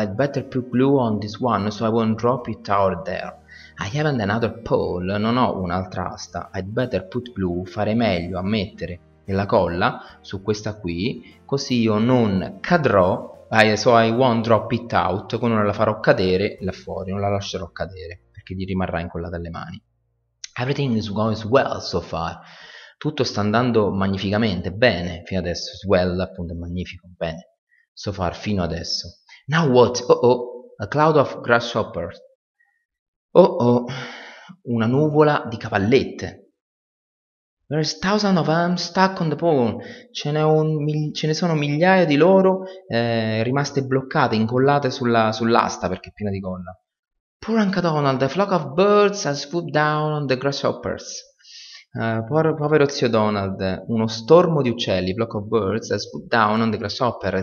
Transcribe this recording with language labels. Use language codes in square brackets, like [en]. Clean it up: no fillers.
[en] I'd better put glue on this one so I won't drop it out there. I haven't another pole. [it] Non ho un'altra asta. [en] I'd better put glue. [it] Farei meglio a mettere la colla su questa qui, così io non cadrò. [en] So I won't drop it out, [it] quando non la farò cadere là fuori, non la lascerò cadere perché gli rimarrà incollata alle mani. [en] Everything is going well so far. [it] Tutto sta andando magnificamente bene fino adesso. Swell, appunto, è magnifico, bene. So far, fino adesso. [en] Now what? Oh, a cloud of grasshoppers. [it] Oh, una nuvola di cavallette. [en] There's thousands of them stuck on the pole. [it] Ce ne sono migliaia di loro rimaste bloccate, incollate sull'asta perché è piena di colla. [en] Poor Uncle Donald, a flock of birds has swooped down on the grasshoppers. [it] Povero zio Donald, uno stormo di uccelli, [en] flock of birds has swooped down on the grasshopper.